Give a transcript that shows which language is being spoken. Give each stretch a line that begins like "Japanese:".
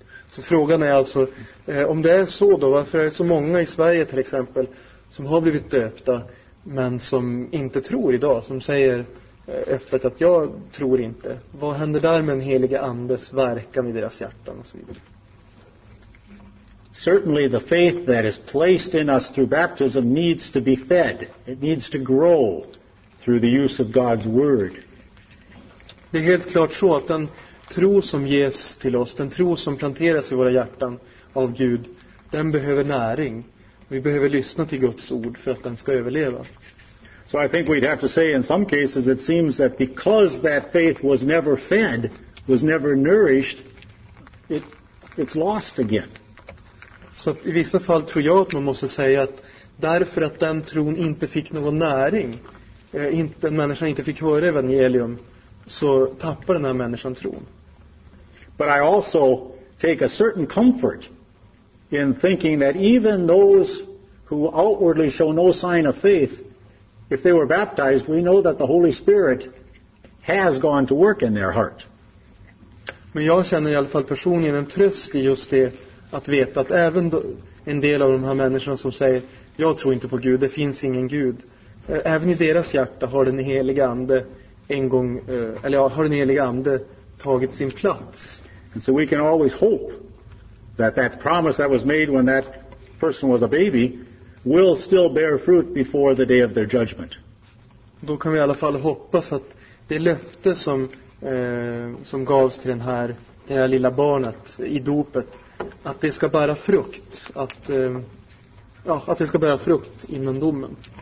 Swedish: Så frågan är alltså, om det är så då, varför är det så många i Sverige till exempel som har blivit döpta men som inte tror idag, som säger öppet att jag tror inte. Vad händer där med den heliga andes verkan i deras hjärtan och så vidare?
English: Certainly the faith that is placed in us through baptism needs to be fed. It needs to grow through the use of God's word.
Swedish: Det är helt klart så att den tro som ges till oss, den tro som planteras i våra hjärtan av Gud, den behöver näring. Vi behöver lyssna till Guds ord för att den ska överleva.
English: So I think we'd have to say in some cases it seems that because that faith was never fed, was never nourished, it's lost again.
Swedish: Så i vissa fall tror jag att man måste säga att därför att den tron inte fick någon näring, inte en människa inte fick höra evangelium, så tappar den här människan tron.
English: But I also take a certain comfort in thinking that even those who outwardly show no sign of faith, if they were baptized, we know that the Holy Spirit has gone to work in their heart.
Swedish: Men jag känner i alla fall personligen en tröst i just det, att veta att även en del av de här människorna som säger jag tror inte på Gud, det finns ingen Gud, även i deras hjärta har den heliga ande en gång, eller har den heliga ande tagit sin plats.
English: And so we can always hope that that promise that was made when that person was a baby will still bear fruit before the day of their judgment.
Swedish: Då kan vi i alla fall hoppas att det löfte som gavs till det här lilla barnet i dopet, att det ska bära frukt, att det ska bära frukt innan domen.